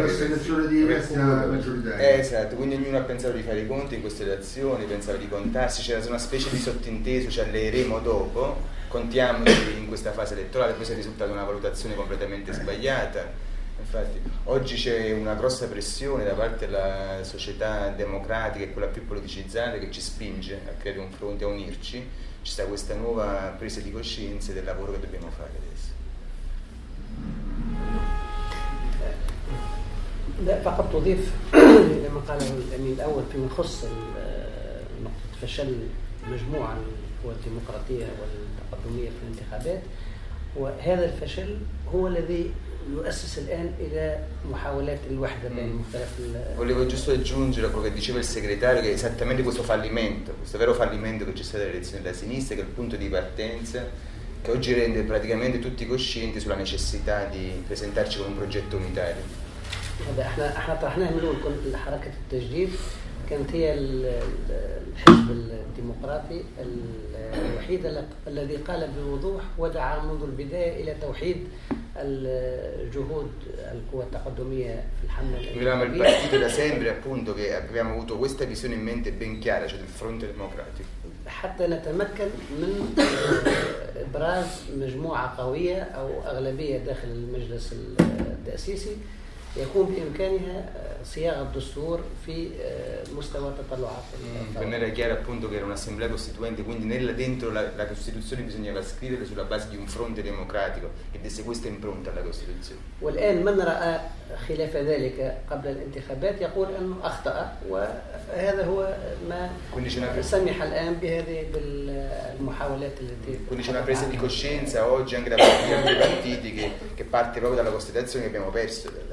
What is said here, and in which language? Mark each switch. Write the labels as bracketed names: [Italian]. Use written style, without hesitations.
[Italian] Esatto, quindi ognuno ha pensato di fare i conti in queste elezioni, pensava di contarsi, c'era una specie di sottinteso, ci alleeremo dopo, contiamoci in questa fase elettorale, poi si è risultata una valutazione completamente sbagliata. Infatti oggi c'è una grossa pressione da parte della società democratica e quella più politicizzata che ci spinge a creare un fronte, a unirci, ci sta questa nuova presa di coscienza del lavoro che dobbiamo fare adesso. [Arabic] فقط أضيف إلى ما قاله الأمين الأول فيما يخص نقطة فشل مجموعة القوى الديمقراطية والتقدمية في الانتخابات، وهذا الفشل هو الذي يؤسس الآن إلى محاولات الوحدة بين مختلف [Italian] Volevo giusto aggiungere quello che diceva il segretario, che esattamente questo fallimento, questo vero fallimento che c'è stato nelle elezioni della sinistra, che è il punto di partenza, che oggi rende praticamente tutti coscienti sulla necessità di presentarci con un progetto unitario. [Arabic] Vabbè, احنا طرحناه من الاول كل حركة التجديد كانت هي الحزب الديمقراطي الوحيد الذي قال بوضوح ودعا منذ البداية إلى توحيد الجهود القوى التقدمية في الحملة [Italian] Eravamo il partito da sempre appunto che abbiamo avuto questa visione in mente ben chiara, cioè del fronte democratico. [Arabic] حتى نتمكن من إبراز مجموعة قوية أو أغلبية داخل المجلس التأسيسي يكون بإمكانها صياغة الدستور في مستوى تطلعات. [Italian] Era chiaro appunto che era un'assemblea costituente, quindi nella dentro la Costituzione bisognava scriverla sulla base di un fronte democratico e desse questa impronta alla Costituzione. [Arabic] والآن من رأى خلاف ذلك قبل الانتخابات يقول أنه أخطأ وهذا هو ما سمح الآن بهذه المحاولات التي. [Italian] Quindi c'è una presa di coscienza oggi anche da parte di altri partiti che parte proprio dalla Costituzione che abbiamo perso.